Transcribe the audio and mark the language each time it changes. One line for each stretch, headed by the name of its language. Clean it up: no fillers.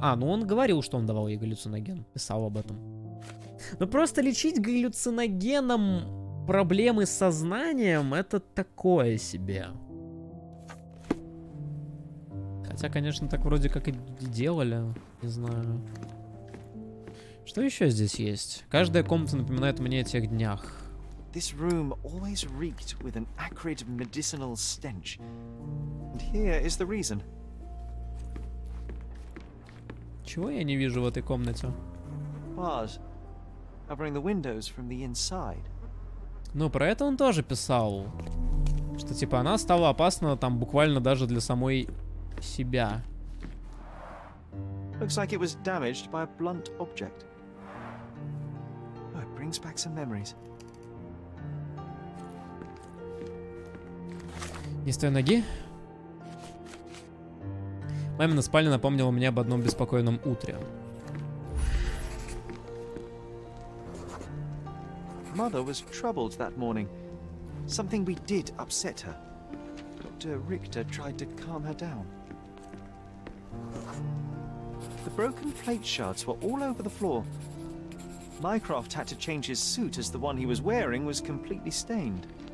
Russian: А, ну он говорил, что он давал ей галлюциноген. Писал об этом. Ну просто лечить галлюциногеном проблемы с сознанием, это такое себе. Хотя, конечно, так вроде как и делали. Не знаю. Что еще здесь есть? Каждая комната напоминает мне о тех днях.
English: This room always reeked with an acrid medicinal stench. And here is the reason.
Russian: Чего я не вижу в этой комнате?
English: Bars covering the windows from the inside.
Russian: Ну, про это он тоже писал. Что, типа, она стала опасна там буквально даже для самой себя.
English: Looks like it was damaged by a blunt object. Oh, it brings back some memories.
Russian: Не стой ноги. Мамина спальня напомнила мне об одном беспокойном утре.
English: Mother was troubled that morning. Something we did upset her. Dr. Richter tried to calm her down. The broken plate shards were all over the floor. Mycroft had to change his suit as the one he was wearing was completely stained.